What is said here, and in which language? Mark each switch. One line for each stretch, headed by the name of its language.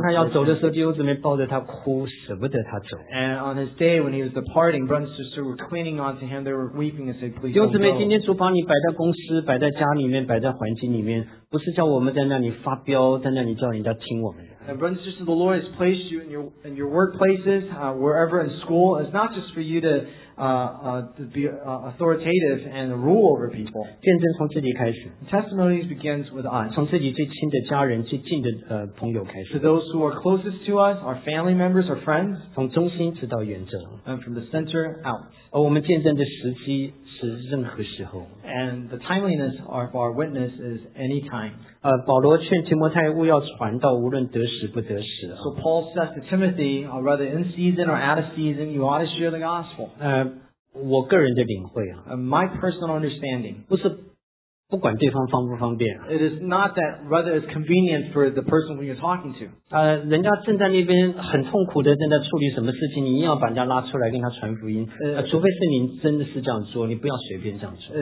Chinese: 当他要走的时候，弟兄姊妹抱着他哭，舍不得他走。
English: And on his day when he was departing, brothers and sisters were clinging onto him. They were weeping and saying, "Please."
Chinese: 弟兄姊妹，今天主把你摆在公司、摆在家里面、摆在环境里面，不是叫我们在那里发飙，在那里叫人家听我们。
English: And brothers and sisters, the Lord has placed you in your workplaces, wherever in school. It's not just for you to be authoritative and rule over people.
Chinese: 见证从自己开始。
English: Testimonies begins with us.
Chinese: 从自己最亲的家人、最近的朋友开始。
English: To those who are closest to us, our family members, our friends.
Chinese: 从中心直到远征。
English: And from the center out.
Chinese: 而我们见证的时机是任何时候。
English: And the timeliness of our witness is any time.
Chinese: 保罗劝提摩太务要传道，无论得时不得时。
English: So Paul says to Timothy, rather in season or out of season, you ought to share the gospel.
Chinese: 我个人的领会啊。
English: My personal understanding.
Chinese: 不是不管对方方不方便。
English: It is not that rather it's convenient for the person who you're talking to.
Chinese: 人家正在那边很痛苦的正在处理什么事情，你硬要把人家拉出来跟他传福音。除非是你真的是这样做，你不要随便这样做。